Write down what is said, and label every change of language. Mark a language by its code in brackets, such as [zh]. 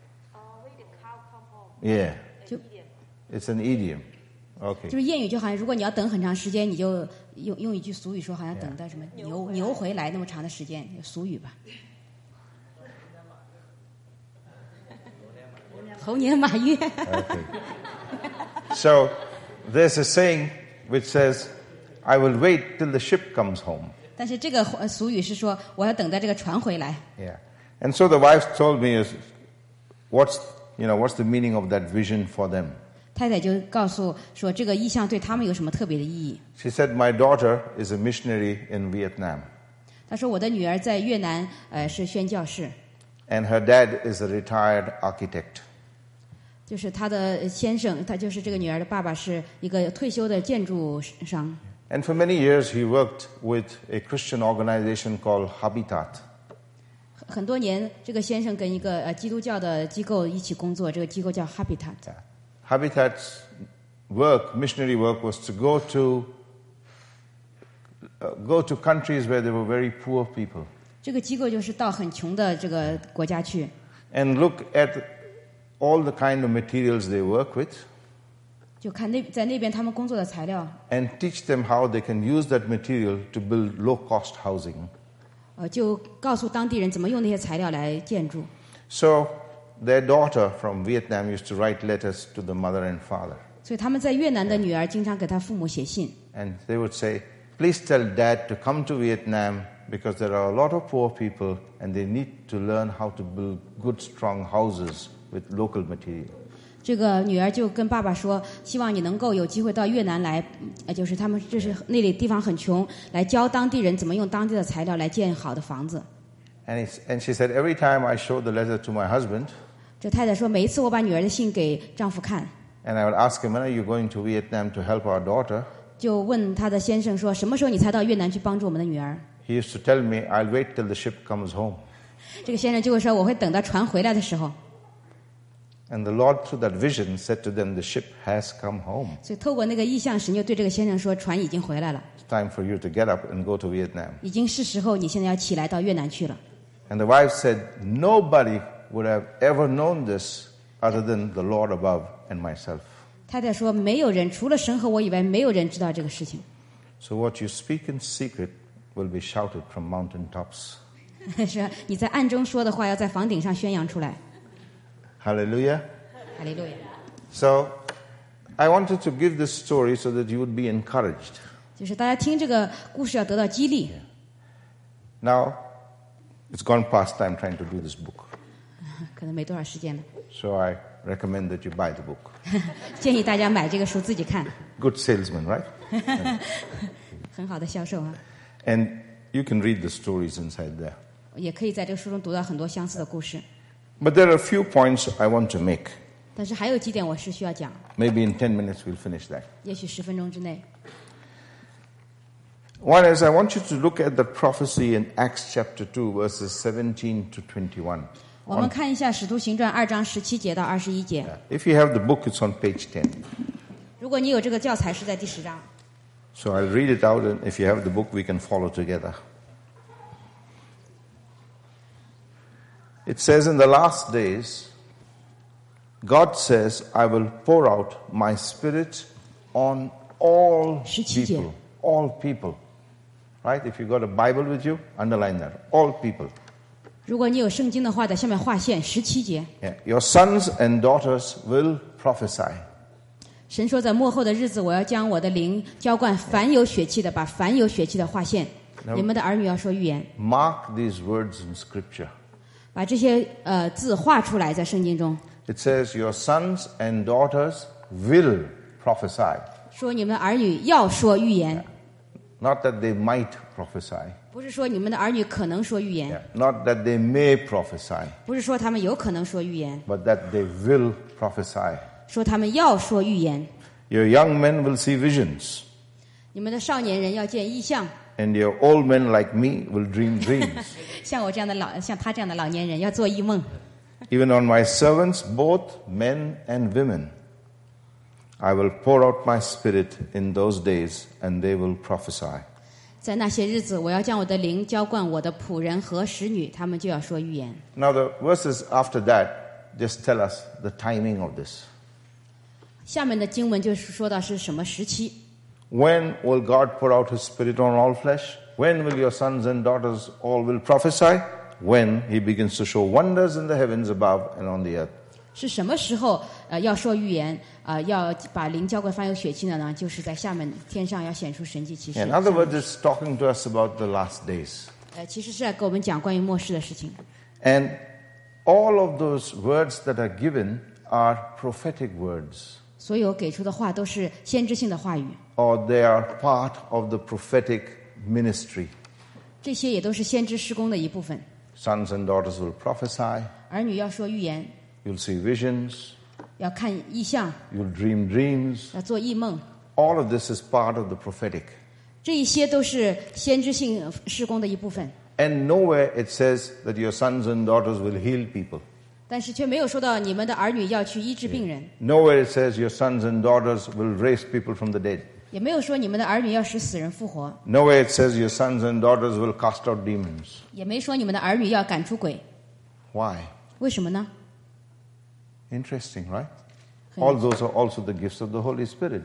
[en] Wait till the cows come home. Yeah. It's an idiom. It's an idiom. Okay. [zh] 就是谚语就好像如果你要等很长时间你就 用, 用一句俗语说好像等待什么 牛回来那么长的时间俗语吧。猴年马月。 [en] Okay. So there's a saying which says, I will wait till the ship comes home. [zh] 但是这个俗语是说我要等待这个船回来。 [en] Yeah. And so the wife told me is what's, you know, what's the meaning of that vision for them? [zh] 太太就告诉说这个意象对他们有什么特别的意义。 [en] She said my daughter is a missionary in Vietnam. [zh] 她说我的女儿在越南是宣教士。 [en] And her dad is a retired architect. [zh] 就是她的先生她就是这个女儿的爸爸是一个退休的建筑商。 [en] And for many years, he worked with a Christian organization called Habitat. [zh] 很多年，这个先生跟一个基督教的机构一起工作。这个机构叫 Habitat. [en] Habitat's work, missionary work, was to go to countries where there were very poor people. [zh] 这个机构就是到很穷的这个国家去。 [en] And look at all the kind of materials they work with. [zh] 就看那在那边他们工作的材料。 [en] And teach them how they can use that material to build low-cost housing. [zh] 就告诉当地人怎么用那些材料来建筑。 [en] So their daughter from Vietnam used to write letters to the mother and father. [zh] 所以他们在越南的女儿经常给她父母写信。 [en] And they would say, "Please tell Dad to come to Vietnam because there are a lot of poor people and they need to learn how to build good, strong houses with local material." [zh] 这个女儿就跟爸爸说希望你能够有机会到越南来就是他们就是那里地方很穷来教当地人怎么用当地的材料来建好的房子。 [en] And she said, every time I showed the letter to my husband, [zh] 这太太说每一次我把女儿的信给丈夫看。 [en] And I would ask him, when are you going to Vietnam to help our daughter? [zh] 就问他的先生说什么时候你才到越南去帮助我们的女儿。 [en] He used to tell me, I'll wait till the ship comes home. [zh] 这个先生就会说我会等到船回来的时候。 [en] And the Lord, through that vision, said to them, "The ship has come home." [zh] 所以透过那个意象，神就对这个先生说，船已经回来了。 [en] It's time for you to get up and go to Vietnam. [zh] 已经是时候，你现在要起来到越南去了。 [en] And the wife said, "Nobody would have ever known this other than the Lord above and myself." [zh] 太太说，没有人除了神和我以外，没有人知道这个事情。 [en] So what you speak in secret will be shouted from mountaintops. [zh] 是你在暗中说的话要在房顶上宣扬出来。 [en] Hallelujah. Hallelujah. So I wanted to give this story so that you would be encouraged. [zh] 就是大家听这个故事要得到激励。 [en] Now, it's gone past time trying to do this book. [zh] 可能没多少时间了。 [en] So I recommend that you buy the book. [zh] 建议大家买这个书自己看。 [en] Good salesman, right? [zh] 很好的销售啊。 [en] And you can read the stories inside there. [zh] 也可以在这个书中读到很多相似的故事。 [en] But there are a few points I want to make. [zh] 但是还有几点我是需要讲。 [en] Maybe in 10 minutes we'll finish that. [zh] 也许十分钟之内。 [en] One is, I want you to look at the prophecy in Acts chapter 2, verses 17 to 21. [zh] 我们看一下《使徒行传》二章十七节到二十一节。 [en] If you have the book, it's on page 10. [zh] 如果你有这个教材，是在第十章。 [en] So I'll read it out, and if you have the book, we can follow together. It says, in the last days, God says, I will pour out my spirit on all people. All people. Right? If you've got a Bible with you, underline that. All people. [zh] 如果你有圣经的话，在下面划线十七节。 [en] Yeah. Your sons and daughters will prophesy. [zh] 神说在末后的日子，我要将我的灵浇灌凡有血气的，把凡有血气的划线。 Now, 你们的儿女要说预言。 [en] Mark these words in scripture. [zh] 把这些字画出来在圣经中。 [en] It says your sons and daughters will prophesy. [zh] 说你们的儿女要说预言。 [en] Yeah. Not that they might prophesy. [zh] 不是说你们的儿女可能说预言。 [en] Yeah, not that they may prophesy. [zh] 不是说他们有可能说预言。 [en] But that they will prophesy. [zh] 说他们要说预言。 [en] Your young men will see visions. [zh] 你们的少年人要见异象。 [en] And your old men like me will dream dreams. [zh] 像我这样的老，像他这样的老年人要做异梦。 [en] Even on my servants, both men and women. I will pour out my spirit in those days, and they will prophesy. [zh] 在那些日子，我要将我的灵浇灌我的仆人和使女，他们就要说预言。 [en] Now the verses after that just tell us the timing of this. [zh] 下面的经文就是说到是什么时期。 [en] When will God pour out His spirit on all flesh? When will your sons and daughters all will prophesy? When He begins to show wonders in the heavens above and on the earth. [zh] 是什么时候要说预言？要把灵浇灌凡有血气的呢，就是在下面天上要显出神迹奇事。 [en] In other words, it's talking to us about the last days. [zh] 其实是在给我们讲关于末世的事情。 [en] And all of those words that are given are prophetic words. [zh] 所有给出的话都是先知性的话语。 [en] Or they are part of the prophetic ministry. [zh] 这些也都是先知事工的一部分。 [en] Sons and daughters will prophesy. [zh] 儿女要说预言。 [en] You'll see visions. [zh] 要看异象 [en] You'll dream dreams. [zh] 要做异梦 [en] All of this is part of the prophetic. [zh] 这一些都是先知性事工的一部分 [en] And nowhere it says that your sons and daughters will heal people. [zh] 但是却没有说到你们的儿女要去医治病人 [en] Yeah. Nowhere it says your sons and daughters will raise people from the dead. [zh] 也没有说你们的儿女要使死人复活 [en] Nowhere it says your sons and daughters will cast out demons. [zh] 也没说你们的儿女要赶出鬼 [en] Why? [zh] 为什么呢 [en] Interesting, right? All those are also the gifts of the Holy Spirit.